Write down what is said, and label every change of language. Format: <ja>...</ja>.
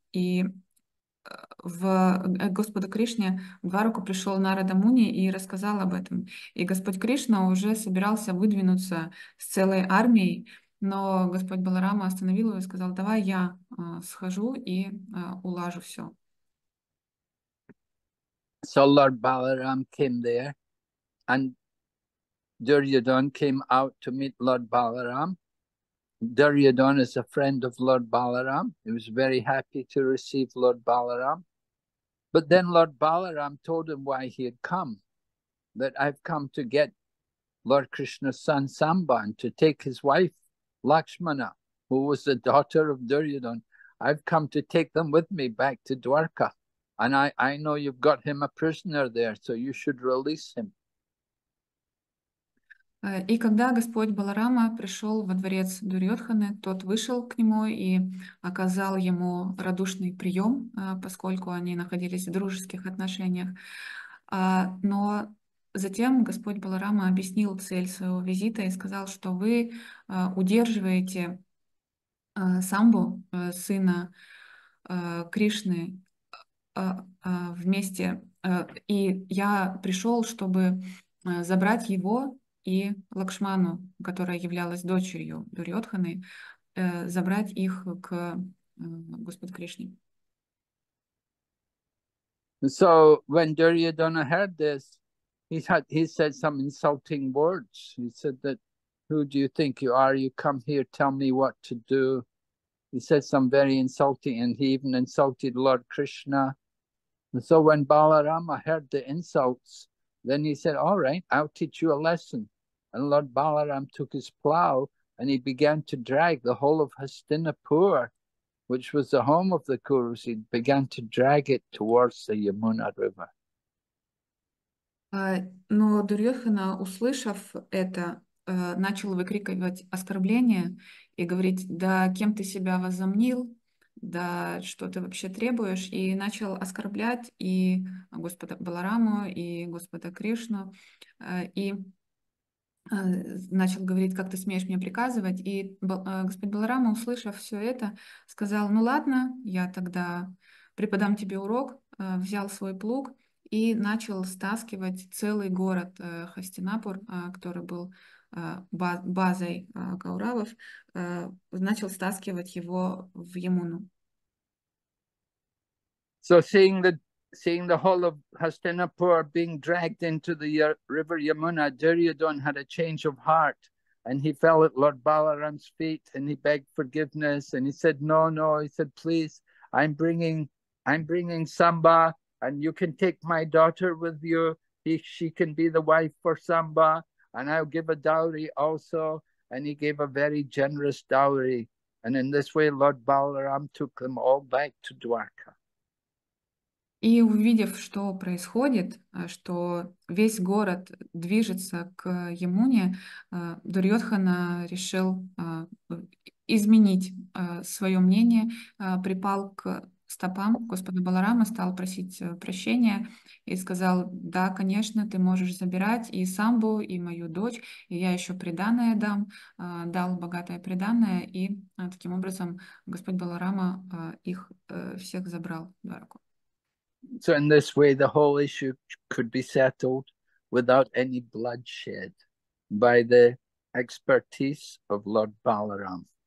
<ru>И в Господу Кришне в Двараку пришел Нарада Муни и рассказал об этом. И Господь Кришна уже собирался выдвинуться с целой армией, но Господь Баларама остановил его и сказал: давай я схожу и улажу все.</ru> <en>So Lord Balaram came there, and Duryodhan came out to meet Lord Balaram. Duryodhan is a friend of Lord Balaram. He was very happy to receive Lord Balaram. But then Lord Balaram told him why he had come, that I've come to get Lord Krishna's son Samba and to take his wife Lakshmana, who was the daughter of Duryodhan. I've come to take them with me back to Dwarka. And I know you've got him a prisoner there, so you should release him.</en> <ru>И когда Господь Баларама пришел во дворец Дурьотханы, тот вышел к нему и оказал ему радушный прием, поскольку они находились в дружеских отношениях. Но затем Господь Баларама объяснил цель своего визита и сказал, что вы удерживаете Самбу, сына Кришны, вместе. И я пришел, чтобы забрать его и Лакшману, которая являлась дочерью Дурьотханы, забрать их к Господу Кришне.</ru> <en>So when Duryodhana heard this, he said some insulting words. He said that, who do you think you are? You come here, tell me what to do. He said some very insulting, and he even insulted Lord Krishna. And so when Balarama heard the insults, then he said, all right, I'll teach you a lesson. And Lord Balaram took his plow and he began to drag the whole of Hastinapur, which was the home of the Kurus, he began to drag it towards the Yamuna River.</en> <ru>Но Дурьотхана, услышав это, начал выкрикивать оскорбления и говорить: да кем ты себя возомнил, да что ты вообще требуешь, и начал оскорблять и Господа Балараму, и Господа Кришну, и начал говорить, как ты смеешь мне приказывать. И Господь Баларама, услышав все это, сказал: ну ладно, я тогда преподам тебе урок. Взял свой плуг и начал стаскивать целый город Хастинапур, который был базой Кауравов, начал стаскивать его в Ямуну.</ru> <en>So seeing the whole of Hastinapur being dragged into the river Yamuna, Duryodhan had a change of heart, and he fell at Lord Balaram's feet and he begged forgiveness, and he said, "No, no," he said, "please, I'm bringing Samba, and you can take my daughter with you. She can be the wife for Samba, and I'll give a dowry also." And he gave a very generous dowry. And in this way, Lord Balaram took them all back to Dwarka.</en> <ru>И увидев, что происходит, что весь город движется к Ямуне, Дурьотхана решил изменить свое мнение, припал к стопам господа Баларама, стал просить прощения и сказал: «Да, конечно, ты можешь забирать и Самбу, и мою дочь, и я еще приданное дам», дал богатое приданное, и таким образом господь Баларама их всех забрал в Дварку.</ru> <en>So in this way, the whole issue could be settled without any bloodshed by the expertise of Lord Balaram.</en>